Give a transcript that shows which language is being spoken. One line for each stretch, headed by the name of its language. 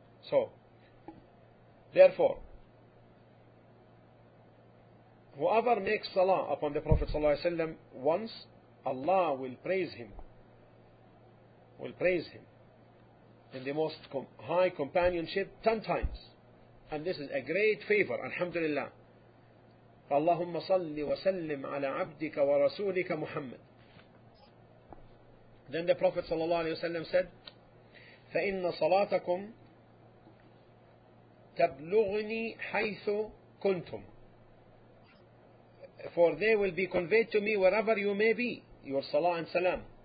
English: So, therefore, whoever makes salah upon the Prophet sallallahu alayhi wa sallam once, Allah will praise him. Will praise him in the most high companionship 10 times. And this is a great favor, alhamdulillah.
Arabic: اللهم صل وسلم على عبدك ورسولك محمد.
English: Then the Prophet sallallahu alaihi wasallam said,
Arabic: فإن صلاتكم تبلغني حيث كنتم.
English: For they will be conveyed to me wherever you may be, your salah and salam.